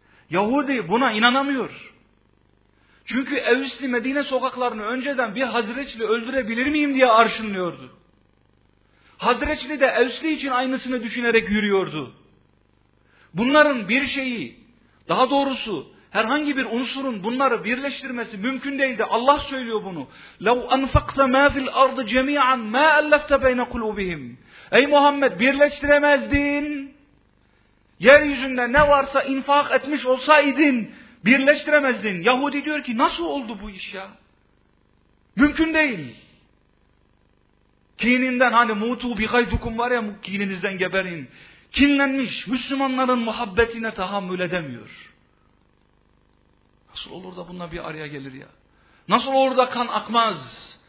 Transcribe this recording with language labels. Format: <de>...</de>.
<tr>Yahudi buna inanamıyor. Çünkü Evsli Medine sokaklarını önceden bir Hazreçli öldürebilir miyim diye arşınlıyordu. Hazreçli de Evsli için aynısını düşünerek yürüyordu. Bunların bir şeyi, daha doğrusu herhangi bir unsurun bunları birleştirmesi mümkün değildi. Allah söylüyor bunu.</tr> <ar>لَوْ أَنْفَقْتَ مَا فِي الْأَرْضِ جَمِيعًا مَا أَلَّفْتَ بَيْنَ قُلُوبِهِمْ</ar> <tr>Ey Muhammed, birleştiremezdin. Yeryüzünde ne varsa infak etmiş olsaydın, Birleştiremezdin. Yahudi diyor ki nasıl oldu bu iş ya? Mümkün değil. Kininden hani</tr> <ar>mutu bi gaydukum</ar> <tr>var ya, kininizden geberin. Kinlenmiş Müslümanların muhabbetine tahammül edemiyor. Nasıl olur da bununla bir araya gelir ya? Nasıl olur da kan akmaz?</tr>